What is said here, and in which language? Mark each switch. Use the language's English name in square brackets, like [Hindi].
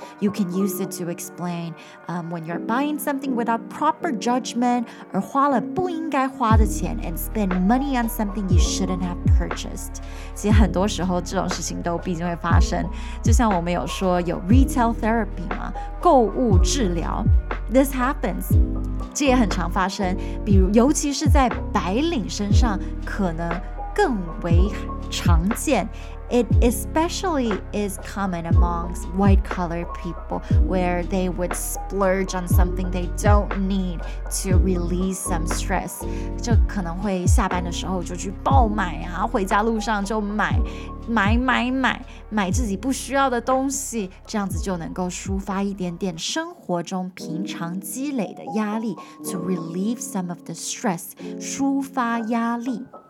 [English] You can use it to explain when you're buying something without proper judgment or [Chinese] 花了不应该花的钱 [English] and spend money on something you shouldn't have purchased. [Chinese] 其实很多时候这种事情都必定会发生。就像我们有说有retail therapy嘛, 购物治疗。 [English] This happens. [Chinese] 这也很常发生。 比如尤其是在白领身上可能更为常见。 [English] It especially is common amongst white-collar people where they would splurge on something they don't need to release some stress. [Chinese] 就可能会下班的时候就去爆买啊，回家路上就买，买买买，买自己不需要的东西，这样子就能够抒发一点点生活中平常积累的压力 [English] to relieve some of the stress, [Chinese] 抒发压力。